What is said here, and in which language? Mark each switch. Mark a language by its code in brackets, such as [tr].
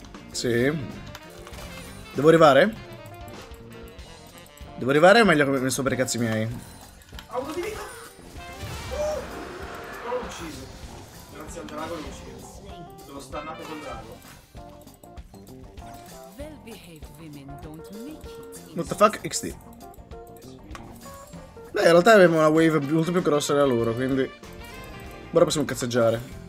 [it] Sì. Devo arrivare? Devo arrivare o meglio che mi sto per i cazzi miei? Ha avuto di vita! L'ho ucciso. Grazie al drago l'ho ucciso. L'ho stannato col drago. [en] Well-behaved women don't make it. What the fuck? XD. [it] Beh, in realtà abbiamo una wave molto più grossa della loro, quindi... Ora possiamo cazzeggiare.